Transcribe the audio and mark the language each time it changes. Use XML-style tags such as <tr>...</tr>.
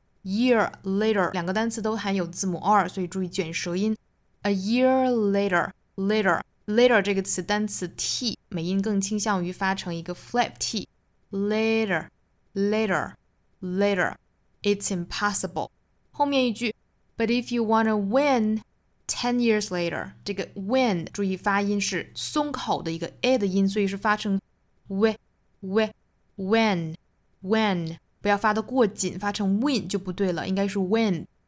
<zh>year later 两个单词都含有字母 r， 所以注意卷舌音。</zh> <en>A year later， later， later</en> <zh>这个词单词 t 美音更倾向于发成一个 flat t。</zh> <en>Later， later， later， it's impossible。</en> <zh>后面一句</zh> <en>But if you wanna win 10 years later，</en> <zh>这个 win 注意发音是松口的一个 a 的音，所以是发成 wi wi when when，不要发得过紧，发成 win 就不对了，应该是 wind。</zh>